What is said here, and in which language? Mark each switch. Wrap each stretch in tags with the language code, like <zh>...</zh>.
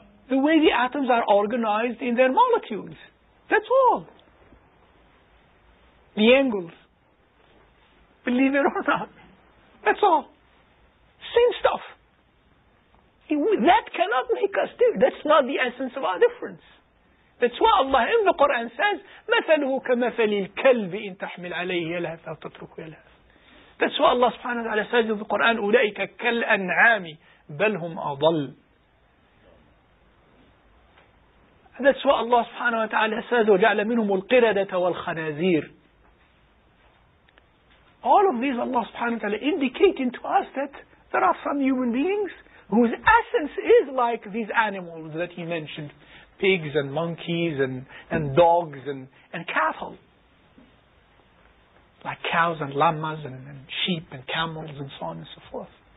<en>The way the atoms are organized in their molecules. That's all. The angles. Believe it or not. That's all. Same stuff. That cannot make us different. That's not the essence of our difference. That's why Allah in the Quran says,</en> <ar>مَثَلُهُ كَمَثَلِ الْكَلْبِ إِن تَحْمِلْ عَلَيْهِ يَلْهَثْ أَوْ تَتْرُكْهُ يَلْهَثْ.</ar> <en>That's why Allah subhanahu wa ta'ala says in the Quran,</en> <ar>أُولَئِكَ كَالْأَنْعَامِ بَلْ هُمْ أَضَلُّ.</ar> <en>That's why Allah subhanahu wa ta'ala says,</en> <ar>وَجَعْلَ مِنْهُمُ الْقِرَدَةَ وَالْخَنَازِيرِ.</ar> <en>All of these Allah subhanahu wa ta'ala indicating to us that there are some human beings whose essence is like these animals that he mentioned, pigs and monkeys and dogs and cattle, like cows and llamas and sheep and camels and so on and so forth.</en>